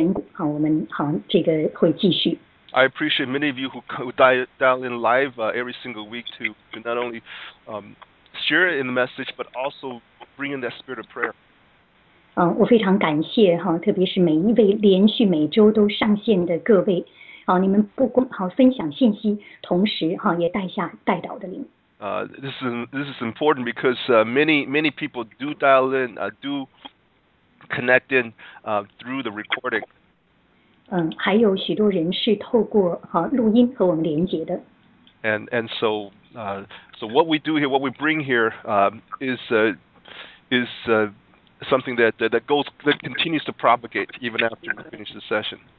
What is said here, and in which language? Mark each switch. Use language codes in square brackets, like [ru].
[zh] 再一次的，我们已经持续了4年之久，而且我们继续的为神国度的缘故，我们这个会继续。 [en] I appreciate many of you who dial in live every single week to not only share in the message but also bring in that spirit of prayer. [zh] 我非常感谢特别是每一位连续每周都上线的各位，你们不光分享信息，同时也带下带导的灵。 [en] This is important because many people do dial in, do connect in through the recording. [zh] 还有许多人是透过录音和我们连接的。 [en] And so what we do here, what we bring here, is something that continues to propagate even after we finish the session.